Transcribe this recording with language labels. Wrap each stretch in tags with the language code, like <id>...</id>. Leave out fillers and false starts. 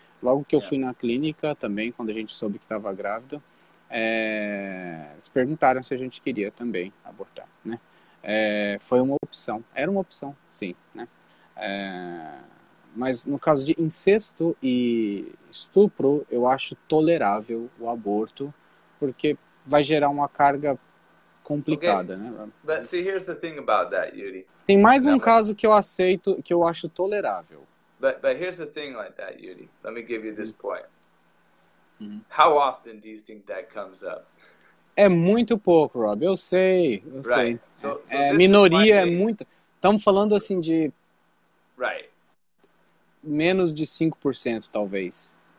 <pt>Logo que eu fui na clínica também, quando a gente soube que estava grávida, eles perguntaram se a gente queria também abortar, né? Foi uma opção. Era uma opção, sim, né? Mas no caso de incesto e estupro, eu acho tolerável o aborto, porque vai gerar uma carga complicada, né?</pt> <en>But see, here's the thing about that, Yuri.</en> <pt>Tem mais um caso que eu aceito, que eu acho tolerável.</pt> <en>But here's the thing like that, Yudi. Let me give you this point. How often do you think that comes up?</en> <pt>É muito pouco, Rob. Eu sei. Eu</pt> <en>right.</en> <pt>sei.</pt> <en>So,</en> <pt>é, minoria é muito. Estamos falando assim de.</pt> <en>Right.</en> <pt>Menos de 5%, talvez.</pt>